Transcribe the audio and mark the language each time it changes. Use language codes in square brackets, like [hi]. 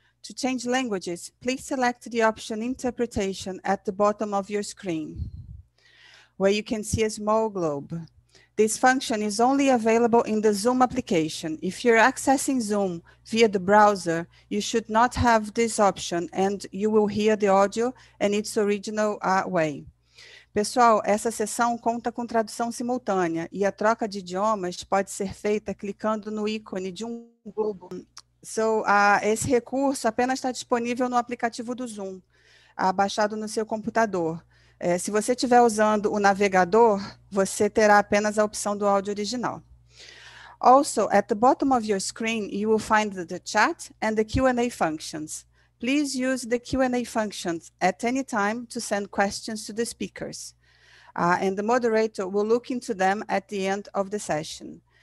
[en] To change languages, please select the option Interpretation at the bottom of your screen, where you can see a small globe. This function is only available in the Zoom application. If you're accessing Zoom via the browser, you should not have this option and you will hear the audio in its original way. [pt] Pessoal, essa sessão conta com tradução simultânea e a troca de idiomas pode ser feita clicando no ícone de um globo. Esse recurso apenas está disponível no aplicativo do Zoom, baixado no seu computador. Se você estiver usando o navegador, você terá apenas a opção do áudio original. [en] Also, at the bottom of your screen, you will find the chat and the Q&A functions. Please use the Q&A functions at any time to send questions to the speakers. And the moderator will look into them at the end of the session.